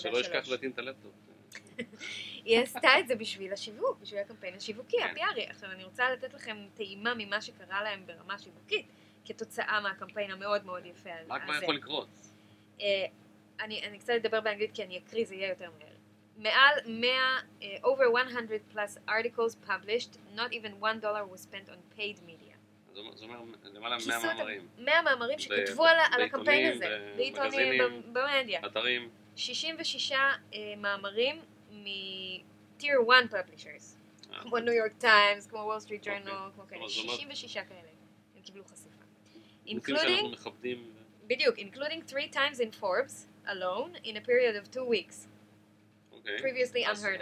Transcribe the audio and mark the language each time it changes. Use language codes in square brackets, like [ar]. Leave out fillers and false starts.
[he] שלא ישכח לתין את הלפטופ. היא עשתה את זה בשביל השיווק, בשביל הקמפיין השיווקי, הפיארי. עכשיו אני רוצה לתת לכם טעימה ממה שקרה להם ברמה שיווקית, כתוצאה מהקמפיין המאוד מאוד יפה הזה. מה כבר יכול לקרות? אני קצת אדבר באנגלית כי אני אקריא, זה יהיה יותר מהר. [en] מעל 100, over 100 plus articles published, not even $1 was spent on paid media. [he] זאת אומרת, למעלה 100 מאמרים. 100 מאמרים שכתבו על הקמפיין הזה. בעיתונים, במדיה. אתרים. 66 מאמרים מ-Tier 1 Publishers, כמו New York Times, כמו Wall Street Journal, כמו כאלה, 66 כאלה, הם קיבלו חשיפה. [en] Including, בדיוק, including 3 times in Forbes, alone, in a period of 2 weeks, previously unheard of.